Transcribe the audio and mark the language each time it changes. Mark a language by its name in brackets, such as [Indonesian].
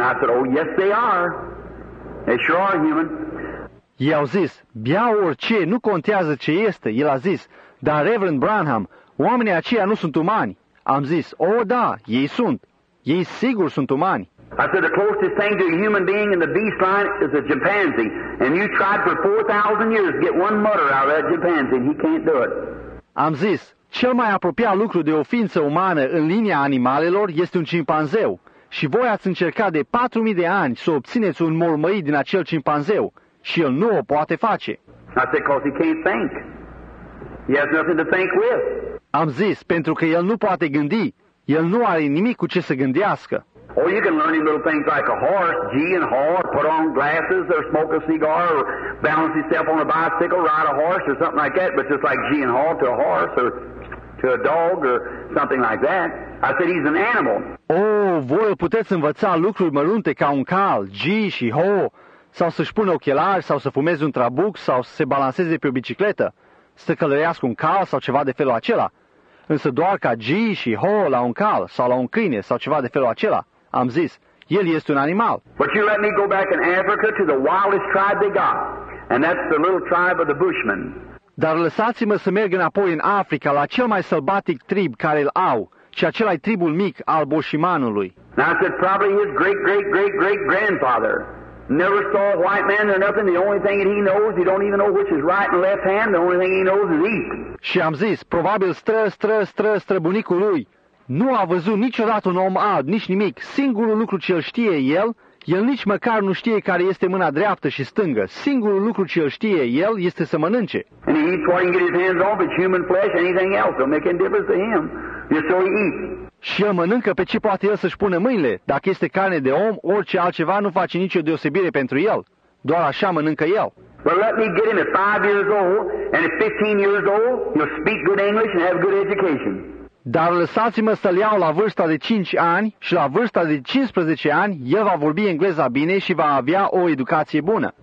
[English] I said, oh, yes, they are. They sure are human. [Romanian] Ei au zis, bea orice, nu contează ce este. El a zis, dar Reverend Branham, oamenii aceia nu sunt umani. Am zis, oh, da, ei sunt. Ei sigur sunt umani. [English] I said the closest thing to a human being in the beast line is a chimpanzee. And you tried for 4,000 years to get one mutter out of that chimpanzee and he can't do it. [Romanian] Am zis, cel mai apropiat lucru de o ființă umană în linia animalelor este un cimpanzeu. Și voi ați încercat de 4,000 de ani să obțineți un mormăit din acel cimpanzeu și el nu o poate face. [English] I said, because he can't think. He has nothing to think with. [Romanian] Am zis, pentru că el nu poate gândi. El nu are nimic cu ce să gândească. [English] Or you can learn him little things like a horse, gee and haw, put on glasses, or smoke a cigar, or balance himself on a bicycle, ride a horse, or something like that. But just like gee and haw to a horse, or to a dog, or something like that. I said he's an animal. [Romanian] Oh, voi îl puteți învăța lucruri mărunte ca un cal, gee și haw, sau să-și pună ochelari, sau să fumeze un trabuc, sau să se balanceze pe o bicicletă, să călărească un cal sau ceva de felul acela. Însă doar ca gee și haw la un cal, sau la un câine, sau ceva de felul acela. Am zis, el este un animal. [English] But you let me go back in Africa to the wildest tribe they got, and that's the little tribe of the Bushmen. [Romanian] Dar lăsați-mă să merg înapoi în Africa la cel mai sălbatic trib care îl au, și acela e tribul mic al Boșimanului. [English] Now I said, probably his great great great great grandfather never saw a white man or nothing. The only thing that he knows, he don't even know which is right and left hand. The only thing he knows is eat. [Romanian] Și am zis, probabil străbunicul lui Nu a văzut niciodată un om alb, nici nimic. Singurul lucru ce îl știe el, el nici măcar nu știe care este mâna dreaptă și stângă. Singurul lucru ce îl știe el este să mănânce. [English] And he eats what he can get his hands on, but human flesh, anything else, don't make any difference to him. Just so he eats. [Romanian] Și el mănâncă pe ce poate el să-și pună mâinile. Dacă este carne de om, orice altceva nu face nicio deosebire pentru el. Doar așa mănâncă el. [English] Well, let me get him at 5 years old and at 15 years old, he'll speak good English and have good education. [Romanian] Dar lăsați-mă să-l iau la vârsta de 5 ani și la vârsta de 15 ani, el va vorbi engleza bine și va avea o educație bună.